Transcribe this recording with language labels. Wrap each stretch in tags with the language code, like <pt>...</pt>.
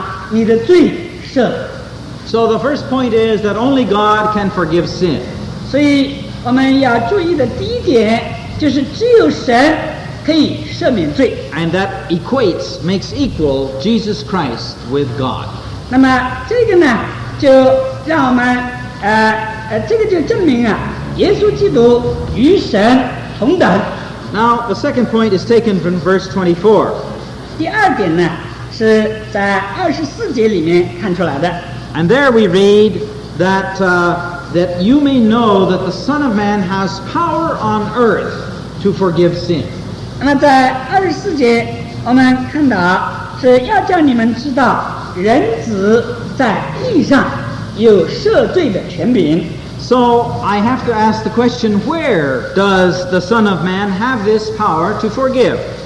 <zh>但是那八个医生里面却没有一位能够对病人讲你的罪赦。</zh> <en>So the first point is that only God can forgive sin.</en> <zh>所以我们要注意的第一点就是只有神可以赦免罪。</zh> <en>And that equates, makes equal Jesus Christ with God.</en> <zh>那么这个呢, 就让我们，这个就证明啊，耶稣基督与神同等。</zh> <en>Now, the second point is taken from verse 24.</en> <zh>第二点呢, 是在24节里面看出来的。</zh> <en>And there we read that, that you may know that the Son of Man has power on earth to forgive sin.</en> <zh>那在24节我们看到是要叫你们知道人子在地上有赦罪的权柄。</zh> <en>So I have to ask the question, where does the Son of Man have this power to forgive?</en>